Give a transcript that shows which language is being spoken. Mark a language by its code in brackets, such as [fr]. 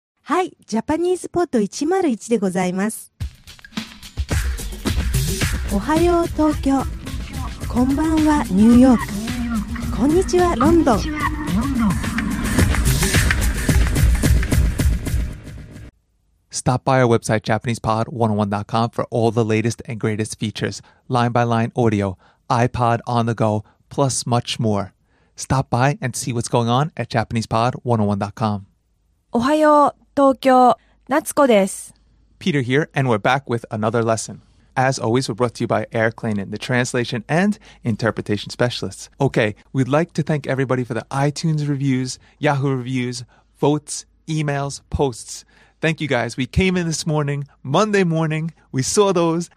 [ja] はい、ジャパニーズポート101でございます。おはよう東京、こんばんはニューヨーク、こんにちはロンドン。 [en] Stop by our website, JapanesePod101.com, for all the latest and greatest features, line-by-line audio, iPod on the go, plus much more. Stop by and see what's going on at JapanesePod101.com. [ja] おはよう、東京、夏子です。 [en] Peter here, and we're back with another lesson. As always, we're brought to you by Eric Klainen, the translation and interpretation specialists. Okay, we'd like to thank everybody for the iTunes reviews, Yahoo reviews, votes, emails, posts. Thank you guys. We came in this morning, Monday morning. We saw those.